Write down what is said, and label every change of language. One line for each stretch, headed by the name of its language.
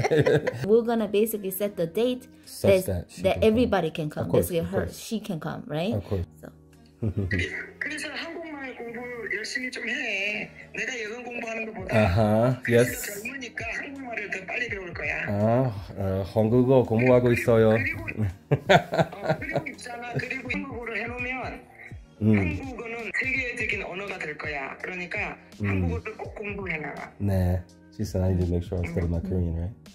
English: The we're gonna basically set the date that everybody can come. Course, basically, her, she can come, right? Of course. So.
Korean: 그래서 한국말 공부 열심히 좀 해. 내가 예능 공부하는 것보다
English: yes.
Korean: 젊으니까 한국말을 더 빨리 배울 거야. 한국어 공부하고 있어요. 그리고 있잖아. 그리고 한국어를 해놓으면 한국어는 세계적인 언어가 될 거야. 그러니까 한국어를 꼭 공부해놔. 네.
English: She said I need to make sure I study my Korean, right?